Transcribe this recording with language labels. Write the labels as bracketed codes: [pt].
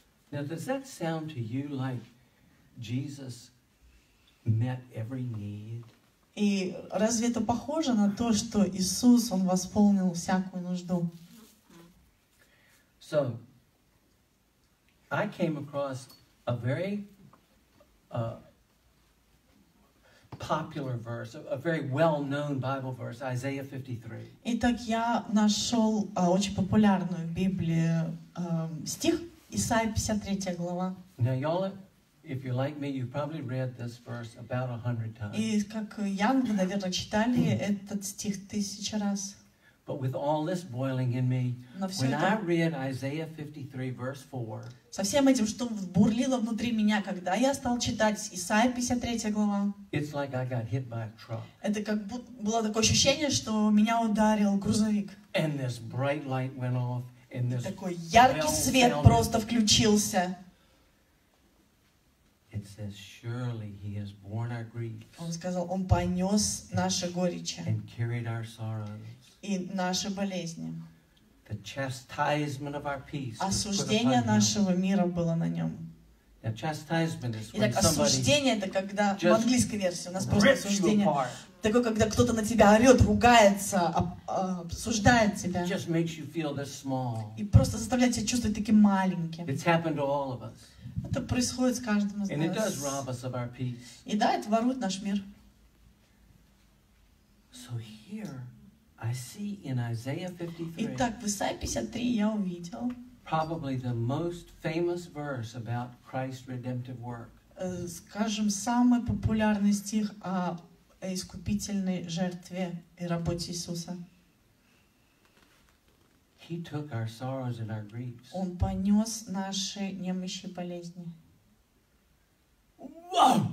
[en] Now does that sound to you like Jesus met every need? [ru] И разве это похоже на то, что Иисус, Он восполнил всякую нужду? [en] So, I came across a very popular verse, a very well-known Bible verse, Isaiah 53. [ru] Итак, я нашел очень популярную в Библии стих, Исаия 53 глава. [en] Now, y'all, if you're like me, you've probably read this verse about 100 times. [ru] И как я, наверное, читали этот стих 1000 раз. [en] But with all this boiling in me, when [ru] это... [en] I read Isaiah 53, verse 4, [ru] со всем этим, что бурлило внутри меня, когда я стал читать Исаия 53 глава, [en] it's like I got hit by a truck. [ru] Это как было такое ощущение, что меня ударил грузовик. [en] And this bright light went off, and this [ru] такой яркий свет просто включился. [en] It says, "Surely He has borne our griefs." [ru] Он сказал, он понес наши горечи. [en] And carried our sorrows. [ru] И наши болезни. [en] The chastisement of our peace. [ru] Осуждение нашего мира было на нем. [en] The chastisement is when [ru] Итак, осуждение это когда в английской версии у нас просто осуждение. Такое, когда кто-то на тебя орет, ругается, осуждает тебя. [en] Just makes you feel this small. [ru] И просто заставляет тебя чувствовать таким маленьким. [en] It's happened to all of us. [ru] Это происходит с каждым из [en] And [ru] нас. [en] It does rob us of our peace. [ru] И да, это ворует наш мир. [en] So here I see in Isaiah 53, [ru] итак, в Исаии 53 я увидел [en] probably the most famous verse about Christ's redemptive work. [ru] Скажем, самый популярный стих о искупительной жертве и работе Иисуса. [en] He took our sorrows and our griefs. [ru] Он понес наши немощи и болезни. [en] Wow!